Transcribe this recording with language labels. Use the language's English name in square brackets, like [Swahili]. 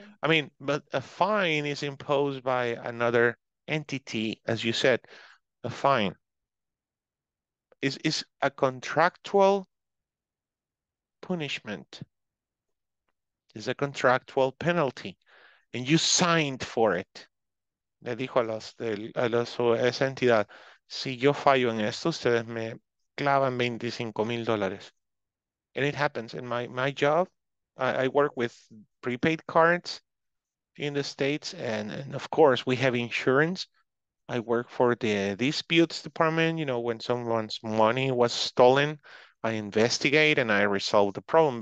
[English] I mean, but a fine is imposed by another entity, as you said. A fine is a contractual punishment. It's a contractual penalty, and you signed for it. [Spanish] Le dijo a esa entidad, si yo fallo en esto, ustedes me clavan $25,000. [English] And it happens in my job. I work with prepaid cards in the States, and of course we have insurance. I work for the disputes department. You know, when someone's money was stolen, I investigate and I resolve the problem.